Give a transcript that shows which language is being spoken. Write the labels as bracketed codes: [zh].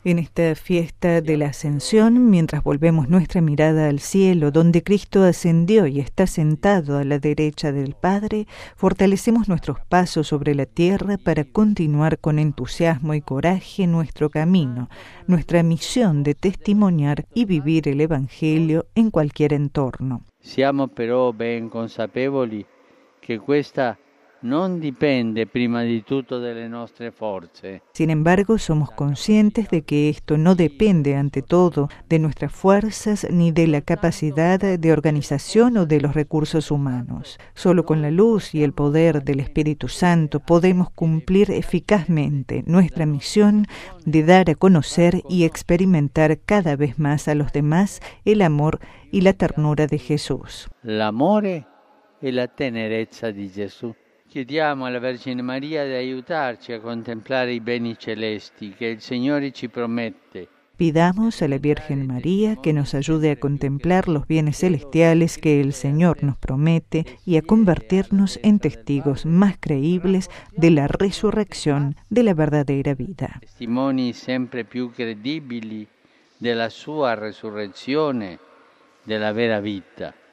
[es] En esta fiesta de la Ascensión, mientras volvemos nuestra mirada al cielo, donde Cristo ascendió y está sentado a la derecha del Padre, fortalecemos nuestros pasos sobre la tierra para continuar con entusiasmo y coraje nuestro camino, nuestra misión de testimoniar y vivir el Evangelio en cualquier entorno. [it] Siamo però ben consapevoli que questa non dipende prima di tutto delle nostre forze. [es] Sin embargo, somos conscientes de que esto no depende ante todo de nuestras fuerzas ni de la capacidad de organización o de los recursos humanos. Solo con la luz y el poder del Espíritu Santo podemos cumplir eficazmente nuestra misión de dar a conocer y experimentar cada vez más a los demás el amor y la ternura de Jesús. El amor y la tenerezza de Jesús. [it] Chiediamo alla Vergine Maria di aiutarci a contemplare i beni celesti che il Signore ci promette. [es] Pidamos a la Virgen María que nos ayude a contemplar los bienes celestiales que el Señor nos promete y a convertirnos en testigos más creíbles de la resurrección de la verdadera vida. [it] Testimoni sempre più credibili della sua resurrezione, della vera vita.